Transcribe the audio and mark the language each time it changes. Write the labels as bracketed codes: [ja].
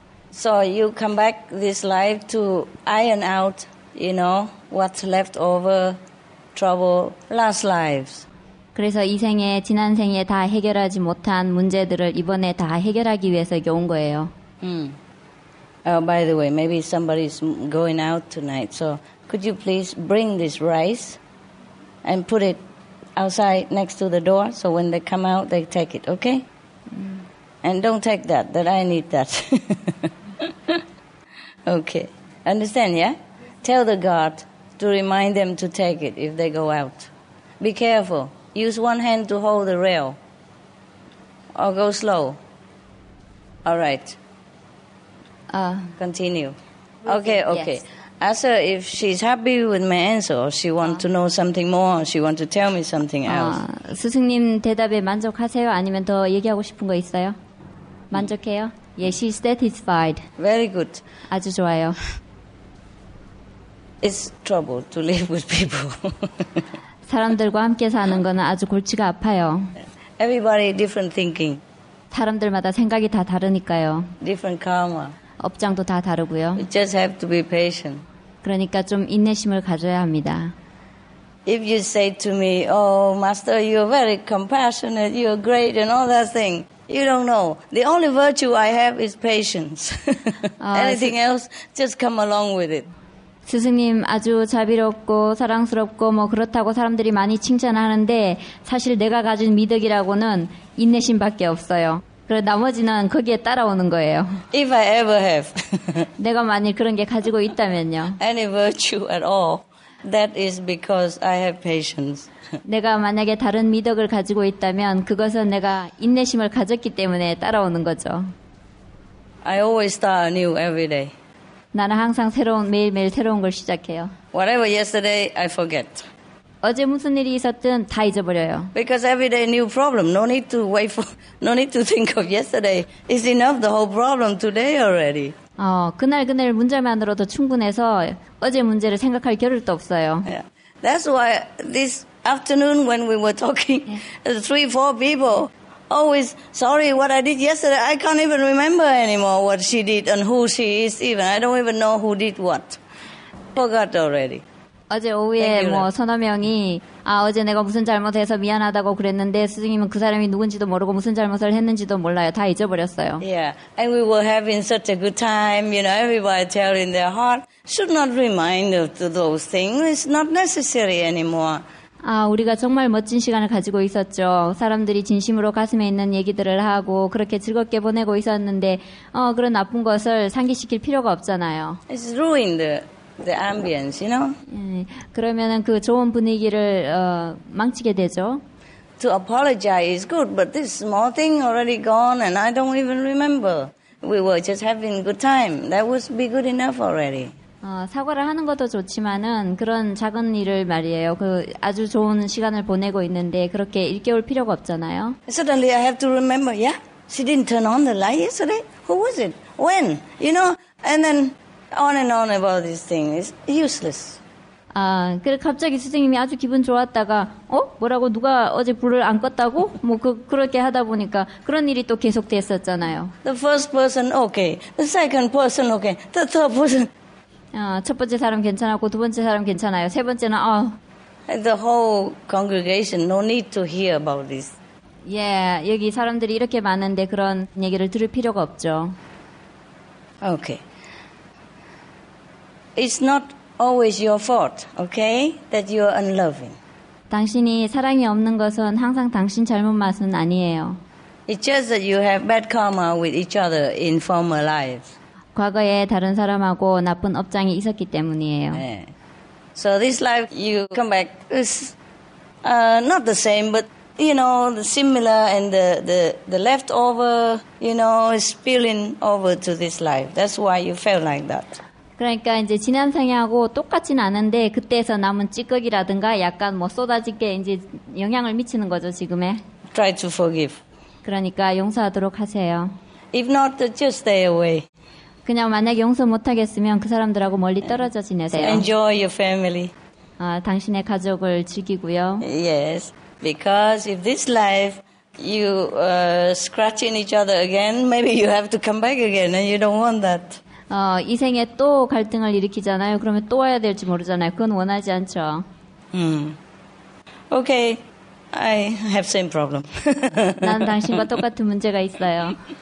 [en] So you come back this life to iron out, you know, what's left over trouble last lives. [ko] 그래서 이 생에 지난 생에 다 해결하지 못한 문제들을 이번에 다 해결하기 위해서 여기 온 거예요. [en] Oh, by the way, maybe somebody's going out tonight. So could you please bring this rice and put it outside next to the door so when they come out, they take it, okay? And don't take that, I need that. Okay. Understand, yeah? Tell the guard to remind them to take it if they go out. Be careful. Use one hand to hold the rail. Or go slow. All right. Continue. Okay, okay. Yes. Ask her if she's happy with my answer or she wants to know something more or she wants to tell me something else. [ko] 스승님 대답에 만족하세요? 아니면 더 얘기하고 싶은 거 있어요? 만족해요? [en] Yes, she's satisfied. Very good. [ko] 아주 좋아요. [en] It's trouble to live with people. [ko] 사람들과 함께 사는 건 아주 골치가 아파요. [en] Everybody different thinking. [ko] 사람들마다 생각이 다 다르니까요. [en] Different karma. [ko] 업장도 다 다르고요. [en] You just have to be patient. [ko] 그러니까 좀 인내심을 가져야 합니다. [en] If you say to me, oh, Master, you're very compassionate, you're great and all that thing, you don't know. The only virtue I have is patience. Anything else, just come along with it. [ko] 스승님 아주 자비롭고 사랑스럽고 뭐 그렇다고 사람들이 많이 칭찬하는데 사실 내가 가진 미덕이라고는 인내심밖에 없어요. 그리고 나머지는 거기에 따라오는 거예요. [en] If I ever have. [ko] 내가 만일 그런 게 가지고 있다면요. [en] Any virtue at all, that is because I have patience. [ko] 내가 만약에 다른 미덕을 가지고 있다면 그것은 내가 인내심을 가졌기 때문에 따라오는 거죠. [en] I always start anew every day. [ko] 나는 항상 새로운 매일매일 새로운 걸 시작해요. [en] Whatever yesterday, I forget. [ko] 어제 무슨 일이 있었든 다 잊어버려요. [en] Because every day new problem. No need to wait for, no need to think of yesterday. It's enough the whole problem today already. [ko] 그날 그날 문제만으로도 충분해서 어제 문제를 생각할 겨를도 없어요. [en] Yeah. That's why this afternoon when we were talking, yeah. Three, four people. Always sorry what I did yesterday. I can't even remember anymore what she did and who she is even. I don't even know who did what. Forgot already. [ko] 어제 오후에 뭐 서너 명이 아 어제 내가 무슨 잘못해서 미안하다고 그랬는데 스승님은 그 사람이 누군지도 모르고 무슨 잘못을 했는지도 몰라요. 다 잊어버렸어요. [en] Yeah, and we were having such a good time. You know, everybody telling their heart should not remind of those things. It's not necessary anymore. [ko] 아, 우리가 정말 멋진 시간을 가지고 있었죠. 사람들이 진심으로 가슴에 있는 얘기들을 하고 그렇게 즐겁게 보내고 있었는데 그런 나쁜 것을 상기시킬 필요가 없잖아요. [en] It's ruined the ambience, you know? [ko] 그러면은 그 좋은 분위기를 망치게 되죠. [en] To apologize is good, but this small thing already gone and I don't even remember. We were just having good time. That would be good enough already. [ko] 사과를 하는 것도 좋지만은 그런 작은 일을 말이에요. 그 아주 좋은 시간을 보내고 있는데 그렇게 일깨울 필요가 없잖아요. [en] Suddenly I have to remember, yeah? She didn't turn on the light yesterday? Who was it? When? You know? And then on and on about this thing. It's useless. [ko] 아, 그래 갑자기 스승님이 아주 기분 좋았다가 어? 뭐라고 누가 어제 불을 안 껐다고? 뭐 그렇게 하다 보니까 그런 일이 또 계속 됐었잖아요. [en] The first person, okay. The second person, okay. The third person. [ko] 첫 번째 사람 괜찮았고 두 번째 사람 괜찮아요. 세 번째는 [en] The whole congregation no need to hear about this. Yeah, [ko] 여기 사람들이 이렇게 많은데 그런 얘기를 들을 필요가 없죠. [en] Okay. It's not always your fault, okay? That you are unloving. [ko] 당신이 사랑이 없는 것은 항상 당신 잘못 맛은 아니에요. [en] It's just that you have bad karma with each other in former lives. [ko] 과거에 다른 사람하고 나쁜 업장이 있었기 때문이에요. 네. [en] So this life you come back is not the same, but you know the similar and the leftover you know is spilling over to this life. That's why you felt like that. [ko] 그러니까 이제 지난 생에하고 똑같진 않은데 그때서 남은 찌꺼기라든가 약간 뭐 쏟아지게 이제 영향을 미치는 거죠 지금에. [en] Try to forgive. [ko] 그러니까 용서하도록 하세요. [en] If not, just stay away. [ko] 그냥 만약 용서 못하겠으면 그 사람들하고 멀리 떨어져 지내세요. [en] Enjoy your family. [ko] 당신의 가족을 즐기고요. [en] Yes, because if this life you scratching each other again, maybe you have to come back again, and you don't want that. [ko] 이 생에 또 갈등을 일으키잖아요. 그러면 또 와야 될지 모르잖아요. 그건 원하지 않죠. [en] Okay, I have same problem. [ko] 난 당신과 똑같은 문제가 있어요.